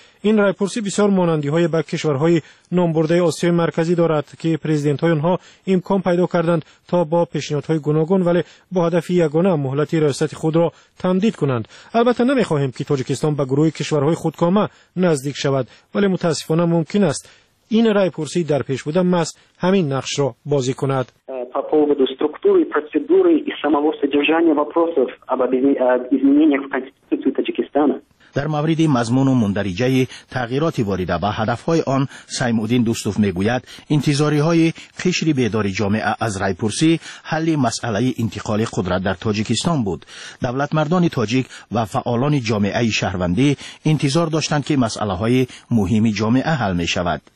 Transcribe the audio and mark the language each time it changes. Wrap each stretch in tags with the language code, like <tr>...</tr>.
<fa>این رای پرسی بسیار مانندی های به کشورهای نامبرده آسیای مرکزی دارد که پرزیدنت های آنها امکان پیدا کردند تا با پیشنهادهای گوناگون ولی با هدف یگانه مهلت ریاست خود را تمدید کنند. البته نمیخواهیم که تاجیکستان به گروه کشورهای خودکامه نزدیک شود، ولی متاسفانه ممکن است این رای پرسی در پیش بوده ماست همین نقش را بازی کند.</fa> <ru>структуры, процедуры и самого содержания вопросов об изменениях в Конституции Таджикистана.</ru> <fa>در مورد مضمون و مندرجه‌ی تغییرات وارده و هدف‌های آن، سیمودین دوستوف می‌گوید انتظاری‌های قشر بیدار جامعه از رای پرسی حل مسئله انتقال قدرت در تاجیکستان بود. دولت مردان تاجیک و فعالان جامعه شهروندی انتظار داشتند که مسئله‌های مهم جامعه حل می‌شود.</fa>